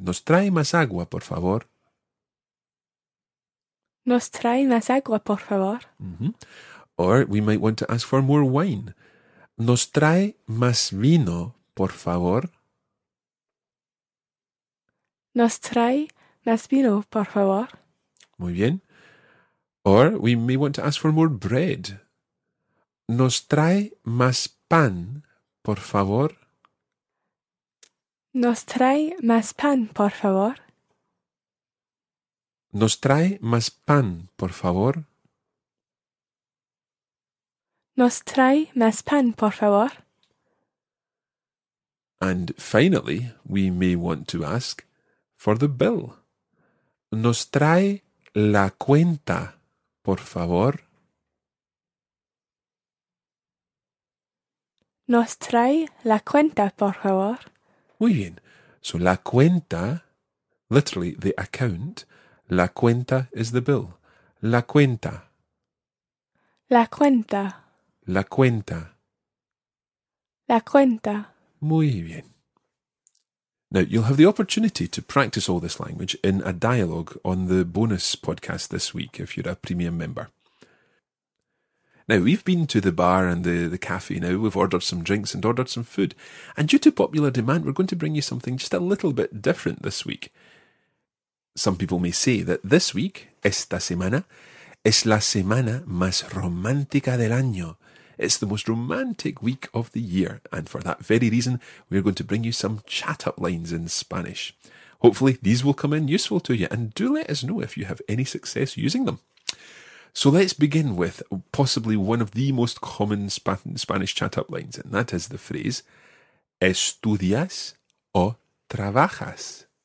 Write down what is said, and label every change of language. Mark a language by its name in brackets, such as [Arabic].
[Spanish] Nos trae más agua, por favor. Nos trae más agua, por favor. Mm-hmm. [English] Or we might want to ask for more wine. [Spanish] Nos trae más vino, por favor. Nos trae más vino, por favor. Muy bien. [English] Or we may want to ask for more bread. [Spanish] Nos trae más pan, por favor. Nos trae más pan, por favor. Nos trae más pan, por favor. Nos trae más pan, por favor. [English] And finally, we may want to ask for the bill. [Spanish] Nos trae la cuenta, por favor. Nos trae la cuenta, por favor. Muy bien. [English] So, [Spanish] la cuenta, [English] literally the account, la cuenta is the bill. [Spanish] La cuenta. La cuenta. La cuenta. La cuenta. Muy bien. [English] Now, you'll have the opportunity to practice all this language in a dialogue on the bonus podcast this week if you're a premium member. Now, we've been to the bar and the cafe now. We've ordered some drinks and ordered some food. And due to popular demand, we're going to bring you something just a little bit different this week. Some people may say that this week, [Spanish] esta semana, es la semana más romántica del año. [English] It's the most romantic week of the year. And for that very reason, we are going to bring you some chat-up lines in Spanish. Hopefully, these will come in useful to you. And do let us know if you have any success using them. So let's begin with possibly one of the most common Spanish chat-up lines, and that is the phrase, [Spanish] ¿estudias o trabajas?